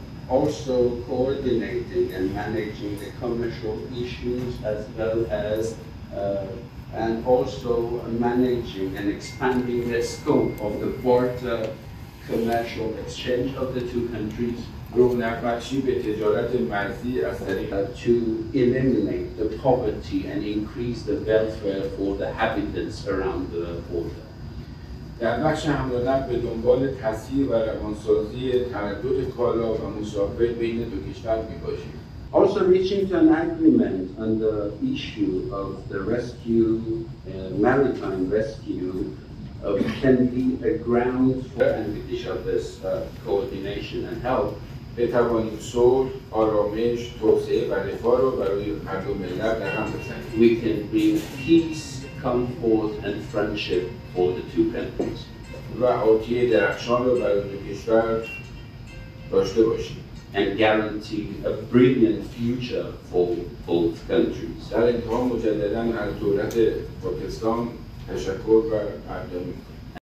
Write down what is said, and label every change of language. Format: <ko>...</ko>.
<en>Also coordinating and managing the commercial issues as well as and also managing and expanding the scope of the border commercial exchange of the two countries.</en> <fa>رونق‌بخشی به تجارت مرزی از طریق</fa> <en>to eliminate the poverty and increase the welfare for the habitants around the border.</en> <fa>در بخش هم‌دادن به دنبال تسهیل و روانسازی تردد کالا و مسافر بین دو کشور می‌باشیم.</fa> <en>Also reaching to an agreement on the issue of the rescue, maritime rescue, can be a ground for and each of this coordination and help.</en> <fa>بتوانیم صلح، آرامش، توسعه و رفاه را برای هر دو ملت در هم بزنیم.</fa> <en>We can bring peace, comfort and friendship for the two countries.</en> <fa>و آتی درخشان را برای دو کشور داشته باشیم.</fa> <en>And guarantee a brilliant future for both countries.</en> <fa>در انتها مجددا از دولت پاکستان تشکر و قدردانی می‌کنم.</fa>